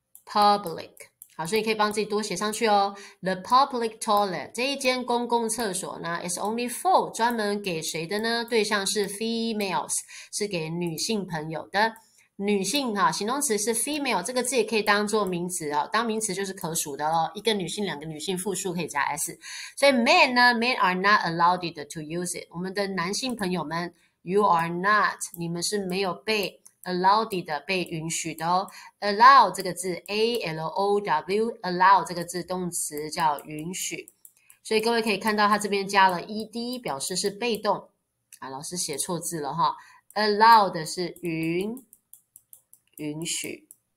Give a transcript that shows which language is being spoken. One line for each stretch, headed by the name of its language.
Chinese: 好，所以你可以帮自己多写上去哦，
English: the public toilet，
Chinese: 这一间公共厕所呢
English: is only for，
Chinese: 专门给谁的呢？对象是 females， 是给女性朋友的，女性哈，形容词是 female， 这个字也可以当做名词哦，当名词就是可数的咯，一个女性两个女性复数可以加 s。所以
English: men are not allowed to use it，
Chinese: 我们的男性朋友们，
English: you are not，
Chinese: 你们是没有被 allowed 被允许的哦。 allow 这个字 allow， allow 这个字动词叫允许，所以各位可以看到它这边加了 ed 表示是被动啊，老师写错字了哈， allow 的是允许。